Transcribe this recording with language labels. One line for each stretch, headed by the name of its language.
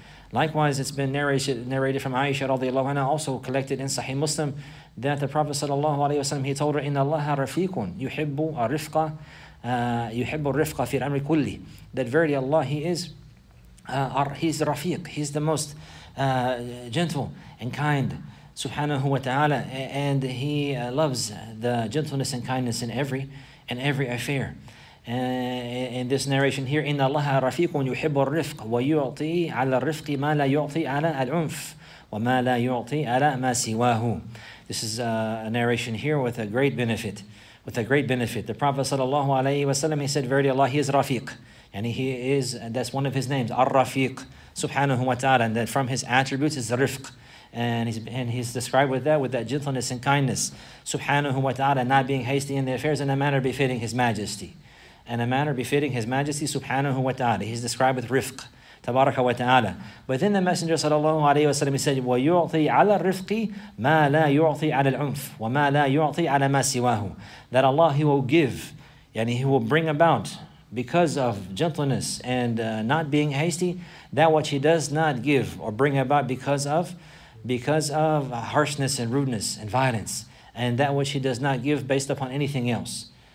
English: Likewise, it's been narrated from Aisha radiallahu anha, also collected in Sahih Muslim, that the Prophet sallallahu alaihi wasallam, he told her,
Arabic: "Inna Allaha rafiqun yuhibbu rifqa fi al-amri kulli."
English: That verily Allah, he's rafiq, he's the most gentle and kind. subhanahu wa ta'ala, and he loves the gentleness and kindness in every affair. In this narration here,
Arabic: إِنَّ اللَّهَ رَفِيقٌ يُحِبُّ الرِّفْقُ وَيُعْطِي عَلَى الرِّفْقِ مَا لَا يُعْطِي عَلَى الْعُنْفِ وَمَا لَا يُعْطِي عَلَى مَا سِوَاهُ.
English: This is a narration here with a great benefit. With a great benefit. The Prophet sallallahu alayhi wa sallam, he said, verily Allah, he is Rafiq. And he is, and that's one of his names, Ar-Rafiq, subhanahu wa ta'ala. And that from his attributes is Rifq. And he's described with that gentleness and kindness, subhanahu wa ta'ala, not being hasty in the affairs in a manner befitting his majesty. In a manner befitting his majesty, subhanahu wa ta'ala. He's described with Rifq, tabaraka wa ta'ala. But then the Messenger sallallahu alayhi wa sallam, he said,
Arabic: وَيُعْطِي عَلَى الرِّفْقِ مَا لَا يُعْطِي عَلَى الْعُنْفِ وَمَا لَا يُعْطِي عَلَى مَا سِوَاهُ.
English: That Allah, he will give, yani he will bring about, because of gentleness and not being hasty, that which he does not give or bring about because of harshness and rudeness and violence, and that which he does not give based upon anything else.